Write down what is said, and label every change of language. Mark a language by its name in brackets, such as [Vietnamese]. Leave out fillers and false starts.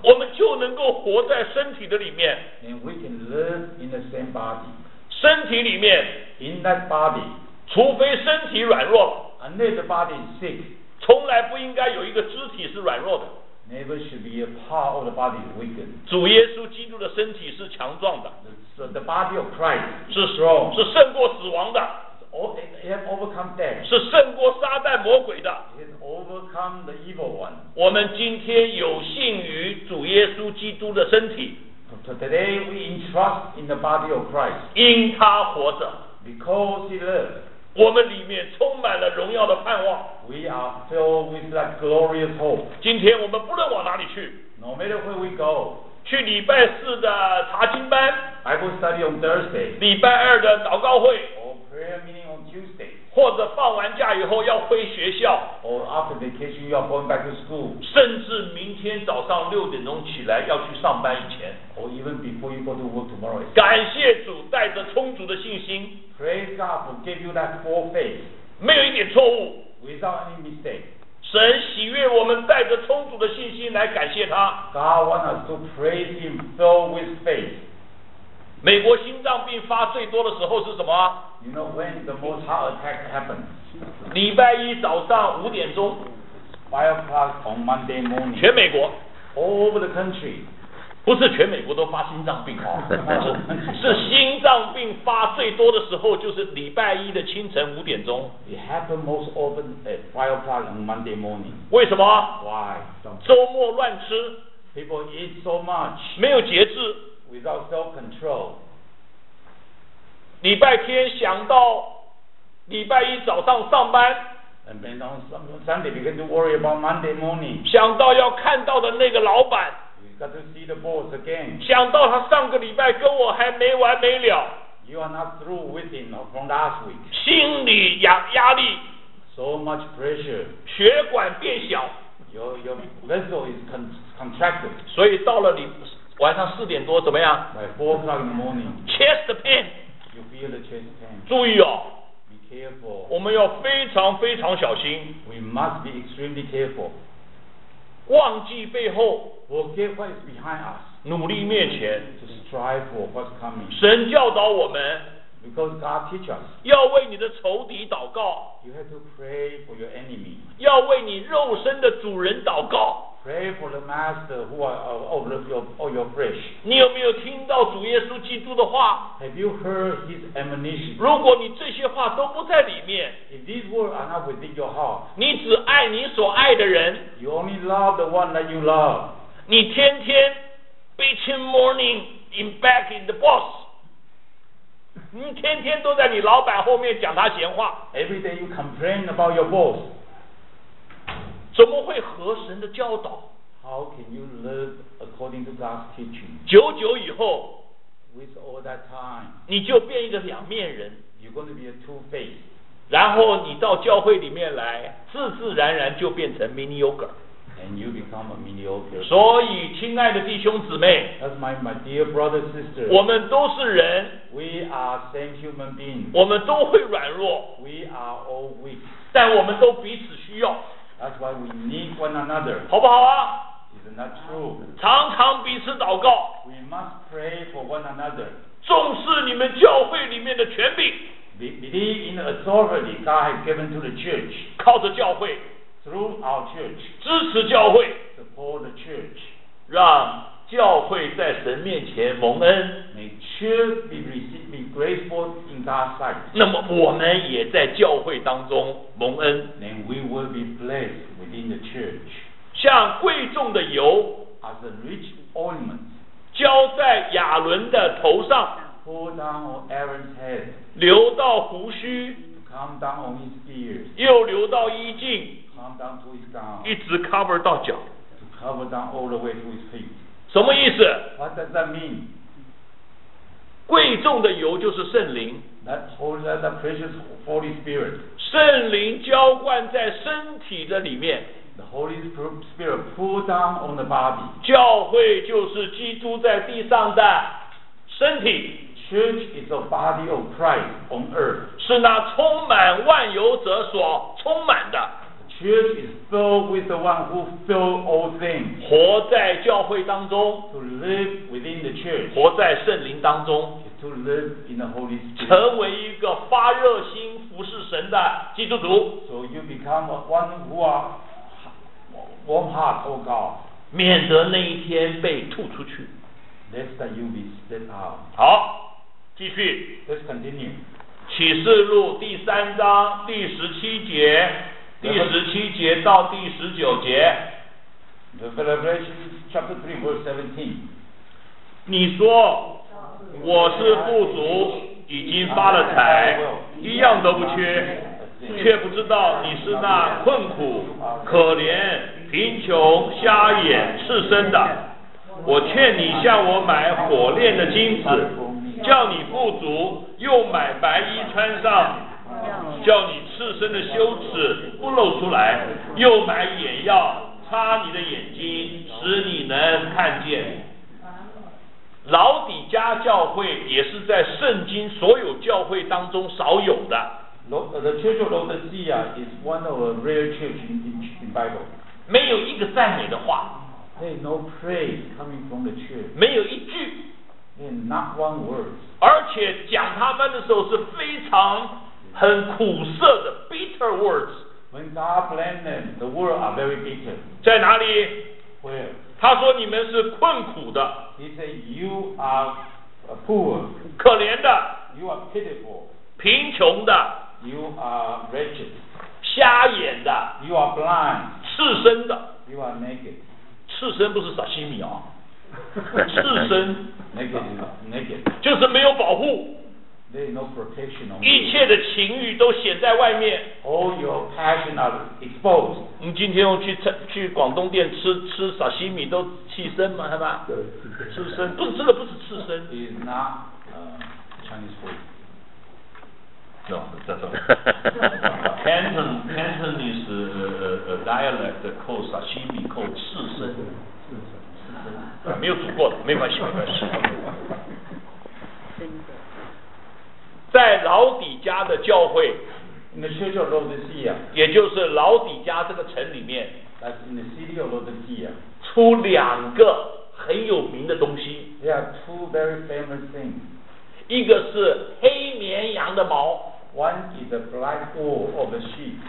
[Chinese] 我们就能够活在身体的里面。 [English] And we can live in the same body. [Chinese] 身体里面。 [English] In that body. [Chinese] 除非身体软弱。 [English] Unless the body is sick. [Chinese] 从来不应该有一个肢体是软弱的。 [English] Never should be a part of the body is weakened. [Chinese] 主耶稣基督的身体是强壮的。 [English] The body of Christ is strong. [Chinese] 是胜过死亡的。 [English] It has overcome death. [Chinese] 是胜过撒旦魔鬼的。 [English] It has overcome the evil one. [Chinese] 我们今天有幸于主耶稣基督的身体。 [English] Today we entrust in the body of Christ. [Chinese] 因他活着。 [English] Because he lives. [Chinese] 我们里面充满了荣耀的盼望。 [English] We are filled with that glorious hope. [Chinese] 今天我们不论往哪里去。 [English] No matter where we go. [Chinese] 去礼拜四的查经班。 [English] Bible study on Thursday. [Chinese] 礼拜二的祷告会。 [English] Or prayer meeting on Tuesday. [Chinese] 或或者放完假以后要回学校 [English] or after vacation you are going back to school [Chinese] 甚至明天早上六点钟起来要去上班以前 [English] or even before you go to work tomorrow [Chinese] 感谢主带着充足的信心 [English] praise God who gave you that full faith [Chinese] 没有一点错误 [English] without any mistake [Chinese] 神喜悦我们带着充足的信心来感谢他 [English] God wants us to praise him filled with faith [Chinese] 美国心脏病发最多的时候是什么 [English] You know when the most heart attack happens [Chinese] 礼拜一早上五点钟 [English] 5 o'clock on Monday morning [Chinese] 全美国 [English] All over the country [Chinese] 不是全美国都发心脏病、啊、是心脏病发最多的时候就是礼拜一的清晨五点钟 [English] It happens most often at 5 o'clock on Monday morning [Chinese] 为什么 [English] Why? [Chinese] 周末乱吃 [English] People eat so much [Chinese] 没有节制 [English] Without self-control [Chinese] 礼拜天想到礼拜一早上上班 [English] And then on Sunday begin to worry about Monday morning [Chinese] 想到要看到的那个老板 [English] Got to see the boss again. [Chinese] 想到他上个礼拜跟我还没完没了 [English] You are not through with him from last week [Chinese] 心理压力 [English] So much pressure [Chinese] 血管变小 [English] Your vessel is contracted [Chinese] 所以到了晚上四点多怎么样 [English] By 4 o'clock in the morning Chest pain You feel the chest pain [Chinese] 注意哦 [English] Be careful [Chinese] 我们要非常非常小心 [English] We must be extremely careful [Chinese] 忘记背后 [English] forget what is behind us [Chinese] 努力面前 [English] to strive for what's coming [Chinese] 神教导我们 [English] because God teach us [Chinese] 要为你的仇敌祷告 [English] you have to pray for your enemy [Chinese] 要为你肉身的主人祷告 [English] pray for the master who are of your flesh [Chinese] 你有没有听到主耶稣基督的话 [English] have you heard his admonition [Chinese] 如果你这些话都不在里面 [English] if these words are not within your heart [Chinese] 你只爱你所爱的人 [English] You only love the one that you love. [Chinese] 你天天 [English] bitching morning in back in the boss. [Chinese] 你天天都在你老板后面讲他闲话。 [English] Every day you complain about your boss. [Chinese] 怎么会合神的教导？ [English] How can you live according to God's teaching? [Chinese] 久久以后 [English] with all that time, [Chinese] 你就变一个两面人。 [English] You're going to be a two-faced. [Chinese] 然后你到教会里面来自自然然就变成 mediocre [English] and you become a mediocre [Chinese] 所以亲爱的弟兄姊妹 [English] that's my dear brother sister [Chinese] 我们都是人 [English] we are same human being [Chinese] 我们都会软弱 [English] we are all weak [Chinese] 但我们都彼此需要 [English] that's why we need one another [Chinese] 好不好啊 [English] isn't that true [Chinese] 常常彼此祷告 [English] we must pray for one another [Chinese] 重视你们教会里面的权柄 [English] Believe in the authority God has given to the church. [Chinese] 靠着教会 [English] through our church. [Chinese] 支持教会 [English] support the church. [Chinese] 让教会在神面前蒙恩 [English] May church be graceful in God's sight. [Chinese] 那么我们也在教会当中蒙恩 [English] Then we will be blessed within the church. [Chinese] 像贵重的油 [English] as a rich ointment. [Chinese] 浇在亚伦的头上。 [English] Pull down on Aaron's head, [Chinese] 流到胡须 [English] come down on his ears, [Chinese] 又流到衣镜 [English] come down to his gown, [Chinese] 一直 cover 到脚 [English] to cover down all the way to his feet. [Chinese] 什么意思 [English] What does that mean? [Chinese] 贵重的油就是圣灵 [English] that precious Holy Spirit. [Chinese] 圣灵浇灌在身体的里面 [English] The Holy Spirit pull down on the body. [Chinese] 教会就是基督在地上的身体 [English] Church is the body of Christ on earth [Chinese] 是那充满万有者所充满的 [English] Church is filled with the one who fills all things [Chinese] 活在教会当中 [English] To live within the church [Chinese] 活在圣灵当中 [English] To live in the Holy Spirit [Chinese] 成为一个发热心服侍神的基督徒 [English] So you become one who are warm heart of God [Chinese] 免得那一天被吐出去 [English] Let's that you be set out. [Chinese] 好，继续。 [English] Let's continue. [Chinese] 启示录第三章第十七节，第十七节到第十九节。 [English] The Revelation chapter 3 verse 17. [Chinese] 你说我是富足，已经发了财，一样都不缺，却不知道你是那困苦、可怜、贫穷、瞎眼、赤身的。我劝你向我买火炼的金子叫你富足又买白衣穿上叫你赤身的羞耻不露出来，又买眼药擦你的眼睛，使你能看见。老底嘉教会也是在圣经所有教会当中少有的。 [English] The Church of Laodicea is one of a rare church in Bible. [Chinese] 没有一个赞美的话。 [English] Hey, no praise coming from the church. [Chinese] 没有一句。 [English] And not one word. [Chinese] 而且讲他们的时候是非常很苦涩的 [English] bitter words. When God blamed them, the words are very bitter. [Chinese] 在哪里？ [English] Where? [Chinese] 他说你们是困苦的。 [English] He said you are poor. [Chinese] 可怜的。 [English] You are pitiful. [Chinese] 贫穷的， [English] you are wretched, [Chinese] 瞎眼的， [English] you are blind, [Chinese] 赤身的， [English] you are naked, [Chinese] 赤身不是撒西米啊，赤身 [English] naked, [Chinese] 就是没有保护， [English] there is no protection on you. [Chinese] 一切的情欲都显在外面， [English] all your passion are exposed. [Chinese] 你今天用 去广东店 吃撒西米都赤身吗？是吧？赤身不是，这个不是赤身。 [English] It is not Chinese food. No, that's all. Cantonese dialect called sashimi, called 刺身。 [Chinese] 没有煮过的，没关系，没关系。在老底嘉的教会， [English] in the church of Laodicea, [Chinese] 也就是老底嘉这个城里面， [English] that's in the city of Laodicea, [Chinese] 出两个很有名的东西。 [English] There are two very famous things. [Chinese] 一个是黑绵羊的毛。 [English] One is the black wool of the sheep.